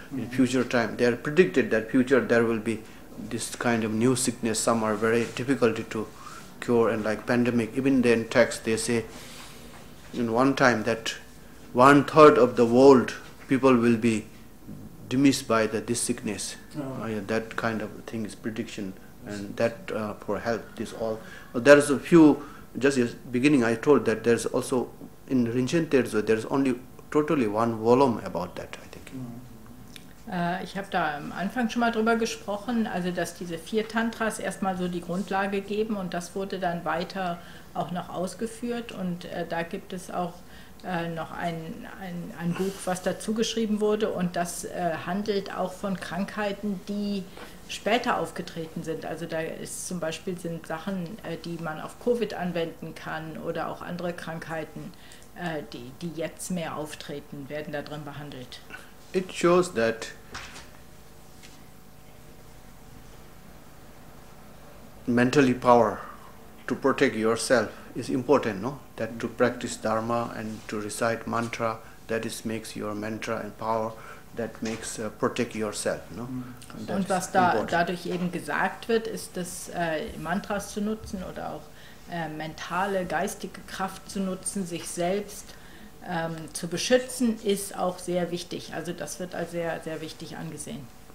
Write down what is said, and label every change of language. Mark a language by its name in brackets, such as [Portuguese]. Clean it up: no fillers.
[English] In future time they are predicted that future there will be this kind of new sickness, some are very difficult to cure, and like pandemic, even then text they say in one time that 1/3 of the world people will be dismissed by this sickness. That kind of thing is prediction, and that for health, this all. There's a few, just as beginning I told that there's also in Rinchen Terzo, there's only totally one volume about that, I think. [German] Ich habe da am Anfang schon mal drüber gesprochen, also dass diese vier Tantras erstmal so die Grundlage geben und das wurde dann weiter auch noch ausgeführt und da gibt es auch noch ein Buch, was dazu geschrieben wurde und das handelt auch von Krankheiten, die später aufgetreten sind. Also da ist zum Beispiel sind Sachen, die man auf Covid anwenden kann oder auch andere Krankheiten, die jetzt mehr auftreten, werden da drin behandelt. [English] It shows that mentally power to protect yourself is important, no? That to practice dharma and to recite mantra, that is makes your mantra and power, that makes protect yourself, no? [German] Und was da dadurch eben gesagt wird, ist, dass Mantras zu nutzen oder auch mentale, geistige Kraft zu nutzen, sich selbst zu beschützen, ist auch sehr wichtig. Also das wird als sehr, sehr wichtig angesehen.